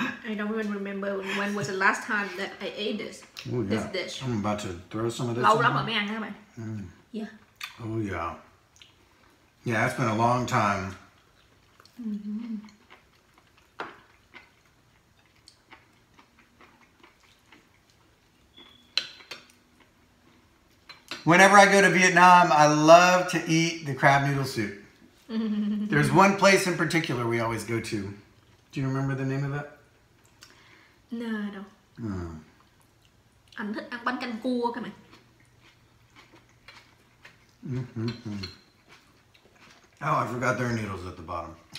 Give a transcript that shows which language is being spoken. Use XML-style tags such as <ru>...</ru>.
<en>I don't even remember when was the last time that I ate this. Ooh, yeah. This dish. I'm about to throw some of this.</en> <vi>Lâu lắm rồi mới ăn các bạn.</vi> <en>Yeah. Oh yeah. Yeah, it's been a long time. Mm-hmm. Whenever I go to Vietnam, I love to eat the crab noodle soup. There's one place in particular we always go to. Do you remember the name of that? No, I don't.</en> <vi>Anh thích ăn bánh canh cua các bạn.</vi> <en>Oh, I forgot there are noodles at the bottom.</en>